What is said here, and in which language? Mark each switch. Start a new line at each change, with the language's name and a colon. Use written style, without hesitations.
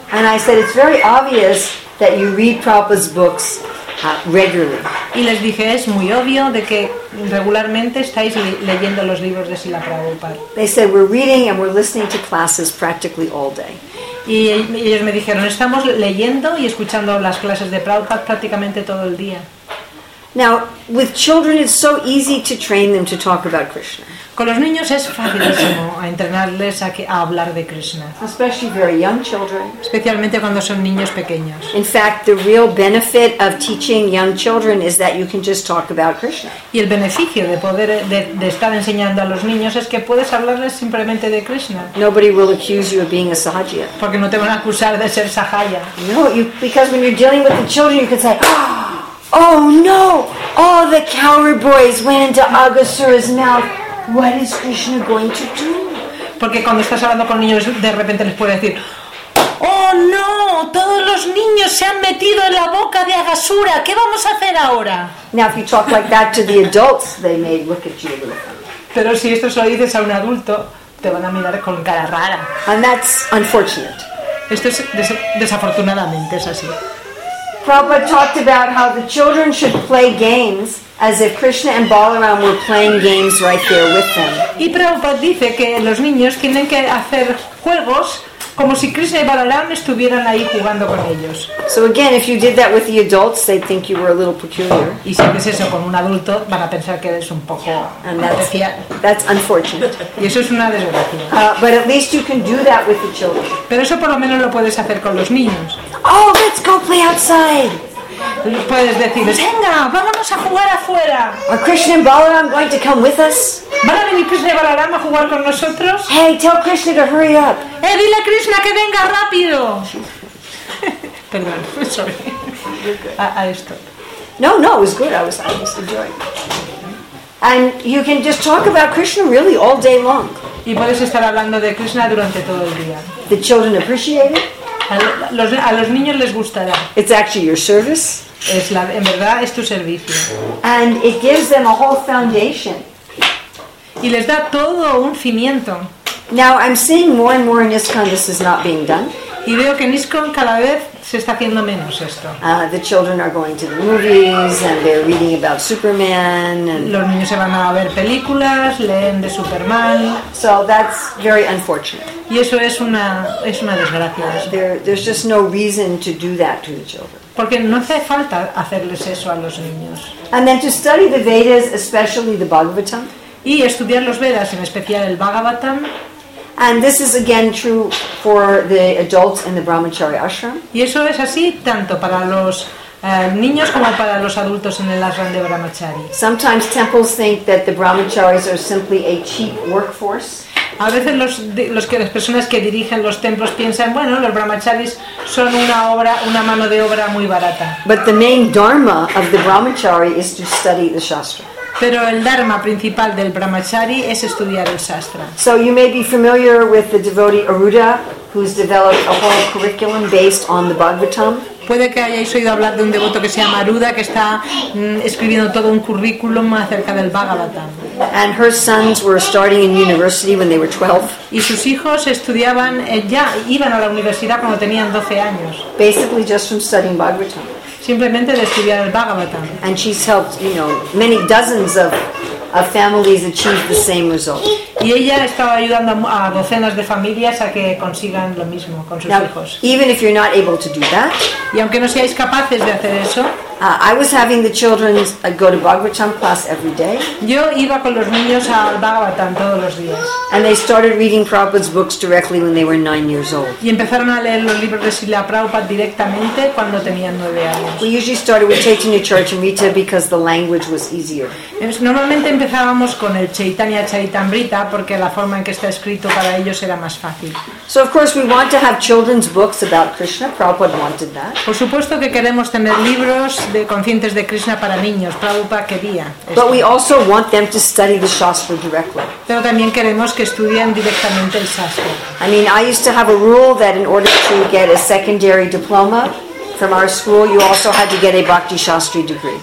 English: And I said it's very obvious that you read Prabhupada's books regularly.
Spanish: Y les dije, es muy obvio de que regularmente estáis leyendo los libros de Srila Prabhupada.
English: They said, we're reading and we're listening to classes practically all day.
Spanish: Y ellos me dijeron, estamos leyendo y escuchando las clases de Prabhupada prácticamente todo el día.
English: Now, with children it's so easy to train them to talk about Krishna.
Spanish: Con los niños es facilísimo entrenarles a hablar de Krishna.
English: Especially very young children.
Spanish: Especialmente cuando son niños pequeños.
English: In fact, the real benefit of teaching young children is that you can just talk about Krishna.
Spanish: Y el beneficio de poder de estar enseñando a los niños es que puedes hablarles simplemente de Krishna.
English: Nobody will accuse you of being a sahaja.
Spanish: Porque no te van a acusar de ser sahaja.
English: No, because when you're dealing with the children, you can say, oh no, all the cowrie boys went into Agasura's mouth. What is Krishna going to do?
Spanish: Porque cuando estás hablando con niños, de repente les puede decir, oh no, todos los niños se han metido en la boca de Agasura. ¿Qué vamos a hacer ahora?
English: Now, if you talk like that to the adults, they may look at you a little.
Spanish: Pero si esto solo dices a un adulto, te van a mirar con cara rara.
English: And that's unfortunate.
Spanish: Esto es desafortunadamente es así.
English: Prabhupada talked about how the children should play games as if Krishna and Balaram were playing games right there with them.
Spanish: Y Prabhupada dice que los niños tienen que hacer juegos como si Krishna y Balaram estuvieran ahí jugando con ellos.
English: So again, if you did that with the adults, they'd think you were a little peculiar.
Spanish: Y si haces eso con un adulto, van a pensar que eres un poco especial.
English: That's unfortunate.
Spanish: Y eso es una desgracia.
English: But at least you can do that with the children.
Spanish: Pero eso por lo menos lo puedes hacer con los niños.
English: Oh, let's go play outside.
Spanish: Puedes decir, venga, vámonos a jugar afuera.
English: Are Krishna and Balaram going to come with us?
Spanish: ¿Van a venir Krishna y Balaram a jugar con nosotros?
English: Hey, tell Krishna to hurry up.
Spanish: Hey, dile a Krishna que venga rápido. Perdón,
English: sorry.
Spanish: A esto.
English: No, it was good. I was enjoying. And you can just talk about Krishna really all day long.
Spanish: Y puedes estar hablando de Krishna durante todo el día.
English: The children appreciate it.
Spanish: A los niños les gustará.
English: It's actually your service.
Spanish: En verdad es tu servicio.
English: And it gives them a whole foundation.
Spanish: Y les da todo un cimiento.
English: Now I'm seeing more and more in ISKCON this is not being done.
Spanish: Y veo que en ISKCON cada vez se está haciendo menos esto.
English: The children are going to the movies and they're reading about Superman. And
Spanish: los niños se van a ver películas, leen de Superman.
English: So that's very unfortunate.
Spanish: Y eso es una desgracia.
English: There's just no reason to do that to the children.
Spanish: Porque no hace falta hacerles eso a los niños.
English: And then to study the Vedas, especially the Bhagavatam.
Spanish: Y estudiar los Vedas, en especial el Bhagavatam.
English: And this is again true for the adults in the Brahmachari ashram.
Spanish: Y eso es así tanto para los niños como para los adultos en el ashram de Brahmachari.
English: Sometimes temples think that the Brahmacharis are simply a cheap workforce.
Spanish: A veces las personas que dirigen los templos piensan, bueno, los Brahmacharis son una mano de obra muy barata.
English: But the main dharma of the Brahmachari is to study the shastra.
Spanish: Pero el dharma principal del Brahmachari es estudiar el Shastra.
English: So you may be familiar with the devotee Aruda, who's developed a whole curriculum based on the Bhagavatam.
Spanish: Puede que hayáis oído hablar de un devoto que se llama Aruda, que está escribiendo todo un currículum acerca del Bhagavatam.
English: And her sons were starting in university when they were 12.
Spanish: Y sus hijos estudiaban ya, iban a la universidad cuando tenían 12 años.
English: Basically just from studying Bhagavatam.
Spanish: Simplemente de estudiar el Bhagavatam.
English: And she's helped, you know, many dozens of families achieve the same result.
Spanish: Y ella estaba ayudando a docenas de familias a que consigan lo mismo con sus
English: Now,
Spanish: hijos.
English: Even if you're not able to do that,
Spanish: y aunque no seáis capaces de hacer eso,
English: I was having the children go to Bhagavatam class every day.
Spanish: Yo iba con los niños al Bhagavatam todos los días.
English: And they started reading Prabhupada's books directly when they were 9 years old.
Spanish: Y empezaron a leer los libros de Srila Prabhupada directamente cuando tenían 9 años.
English: We usually started with Chaitanya Charitamrita because the language was easier.
Spanish: Normalmente empezábamos con el Chaitanya Charitamrita porque la forma en que está escrito para ellos era más fácil.
English: So of course we want to have children's books about Krishna. Prabhupada wanted that.
Spanish: Por supuesto que queremos tener libros de conscientes de Krishna para niños. Prabhupada quería esto.
English: But we also want them to study the shastra directly.
Spanish: Pero también queremos que estudien directamente el shastra.
English: I mean, I used to have a rule that in order to get a secondary diploma from our school, you also had to get a bhakti shastri degree.